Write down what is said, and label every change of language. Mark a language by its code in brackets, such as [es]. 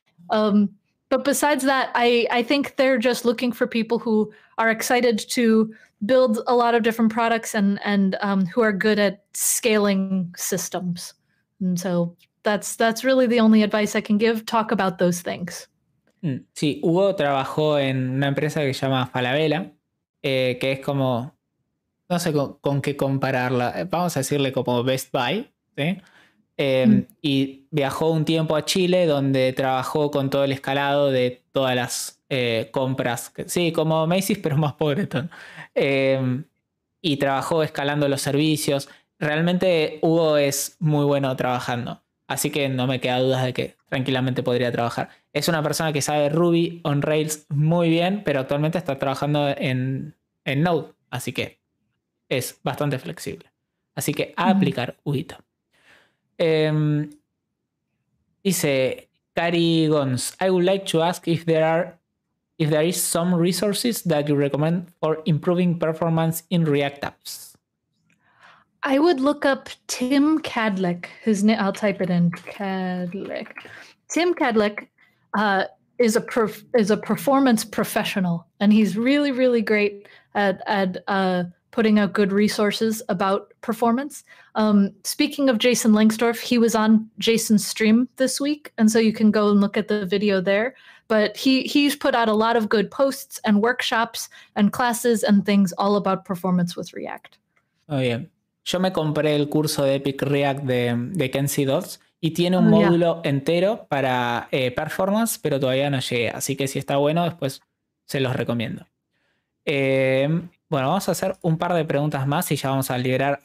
[en] But besides that, I think they're just looking for people who are excited to build a lot of different products and who are good at scaling systems. And so that's really the only advice I can give. Talk about those things. [es] Sí, Hugo trabajó en una empresa que se llama Falabella, que es como, no sé con qué compararla, vamos a decirle como Best Buy, ¿sí? Y viajó un tiempo a Chile donde trabajó con todo el escalado de todas las compras, sí, como Macy's pero más pobre, y trabajó escalando los servicios. Realmente Hugo es muy bueno trabajando, así que no me queda dudas de que tranquilamente podría trabajar. Es una persona que sabe Ruby on Rails muy bien, pero actualmente está trabajando en Node, así que es bastante flexible. Así que a aplicar, Huguito. Dice [en] Cari Gons, I would like to ask if there is some resources that you recommend for improving performance in React apps. I would look up Tim Cadlick, I'll type it in, Cadlick. Tim Cadlick is a performance professional, and he's really, really great at putting out good resources about performance. Speaking of Jason Langsdorf, he was on Jason's stream this week, and so you can go and look at the video there. But he's put out a lot of good posts and workshops and classes and things all about performance with React. Oh, yeah. [es] Yo me compré el curso de Epic React de Cassidy Williams y tiene un módulo entero para performance, pero todavía no llegué. Así que si está bueno, después se los recomiendo. Bueno, vamos a hacer un par de preguntas más y ya vamos a liberar.